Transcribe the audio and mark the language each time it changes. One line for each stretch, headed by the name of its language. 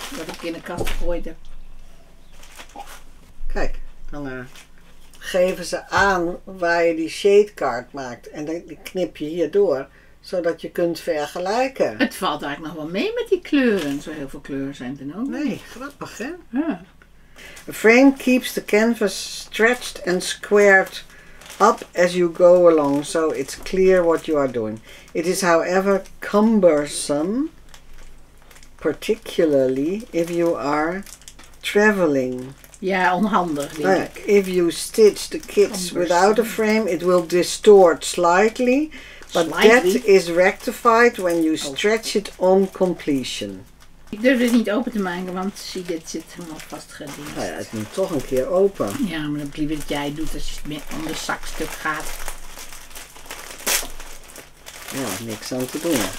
Dutch: Wat ik in de kast gegooid heb. Kijk, dan geven ze aan waar je die shadecard maakt. En die knip je hierdoor, zodat je kunt vergelijken. Het valt eigenlijk nog wel mee met die kleuren. Zo heel veel kleuren zijn er ook. Nee, grappig hè? Ja.
English: A frame keeps the canvas stretched and squared up as you go along, so it's clear what you are doing. It is, however, cumbersome, particularly if you are traveling. Yeah,
Dutch: onhandig.
English: Like, if you stitch the kits cumbersome without a frame, it will distort slightly, but slightly. That is rectified when you stretch it on completion.
Dutch: Ik durf het niet open te maken, want zie, dit zit helemaal vastgedienst. Ja, het moet toch een keer open. Ja, maar dan liever dat jij doet als je het om de zakstuk gaat. Ja, niks aan te doen.